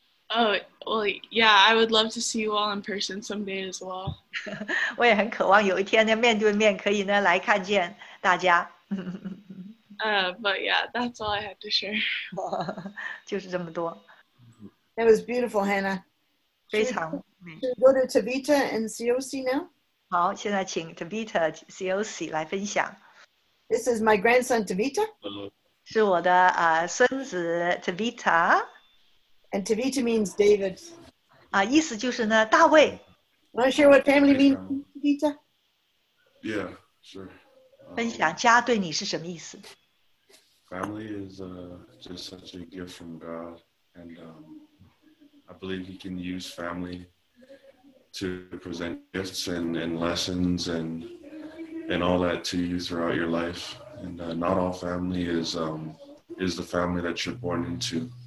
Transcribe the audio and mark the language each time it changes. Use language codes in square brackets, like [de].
[en] I would love to see you all in person someday as well. [zh] 我也很渴望有一天呢, 面对面可以呢, 来看见大家。 [en] But yeah, that's all I had to share. [zh] 就是这么多。 [en] That was beautiful, Hannah. [zh] 非常美。 [en] Should we go to Tabita and COC now? [zh] 好, 现在请 Tabita, COC 来分享。 [en] This is my grandson, Tabita. Hello. [zh] 是我的, 孙子, Tabita. [en] And Tabita means David. [zh] 意思就是呢, 大卫。 [en] Want to share what family means, Tabita? Yeah, sure. [zh] 分享, 家对你是什么意思? [en] Family is just such a gift from God, and I believe he can use family to present gifts and lessons and all that to you throughout your life. And not all family is the family that you're born into.